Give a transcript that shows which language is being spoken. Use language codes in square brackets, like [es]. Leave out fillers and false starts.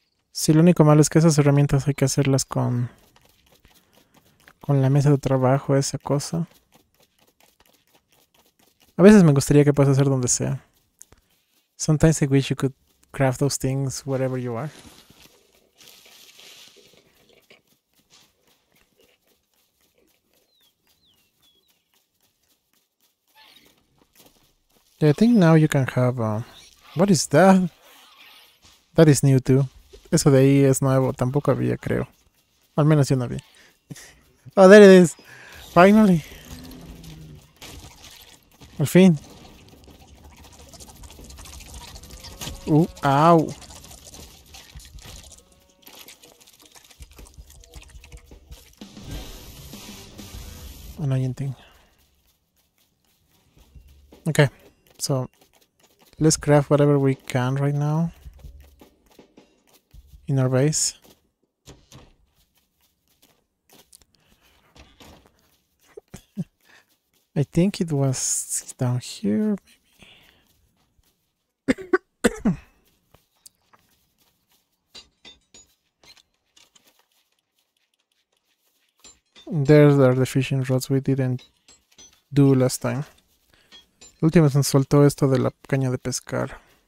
[es] Sí, lo único malo es que esas herramientas hay que hacerlas con la mesa de trabajo, esa cosa. A veces me gustaría que puedas hacer donde sea. [en] Sometimes I wish you could craft those things wherever you are. Yeah, I think now you can have what is that? That is new too. [es] Eso de ahí es nuevo, tampoco había, creo. Al menos yo no vi. [en] Oh, there it is. Finally. [es] Al fin. Au. [en] Annoying thing. Okay, so let's craft whatever we can right now in our base. I think it was down here, maybe. There are the fishing rods we didn't do last time. [es] La última se nos soltó esto de la caña de pescar.